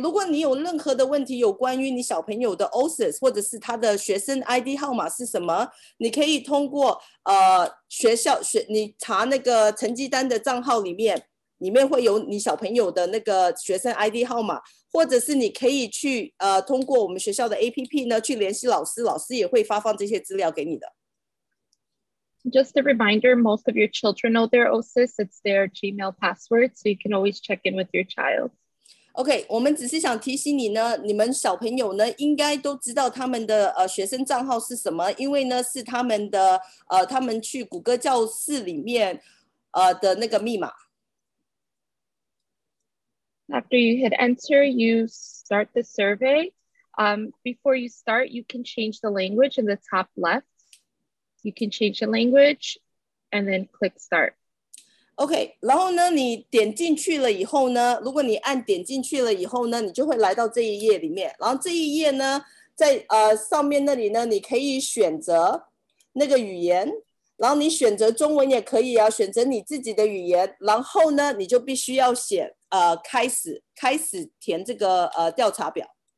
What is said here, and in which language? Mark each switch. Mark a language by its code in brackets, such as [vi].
[zh] 如果你有任何的问题有关于你小朋友的OSIS, 或者是他的学生ID号码是什么, 你可以通过 学校你查那个成绩单的账号里面, 里面会有你小朋友的那个学生ID号码, 或者是你可以去 通过我们学校的APP呢, 去联系老师, 老师也会发放这些资料给你的。 [en] Just a reminder, most of your children know their OSIS. It's their Gmail password, so you can always check in with your child. [zh] Okay, 我们只是想提醒你呢, 你们小朋友呢, 应该都知道他们的, 学生账号是什么, 因为呢, 是他们的, 他们去谷歌教室里面, 的那个密码。 [en] After you hit enter, you start the survey. Before you start, you can change the language in the top left. You can change the language and then click start. [zh] Okay, 然后呢, 你点进去了以后呢, 如果你按点进去了以后呢, 你就会来到这一页里面, 然后这一页呢, 在, 上面那里呢, 你可以选择那个语言, 然后你选择中文也可以啊, 选择你自己的语言, 然后呢, 你就必须要写, 开始, 开始填这个, 调查表。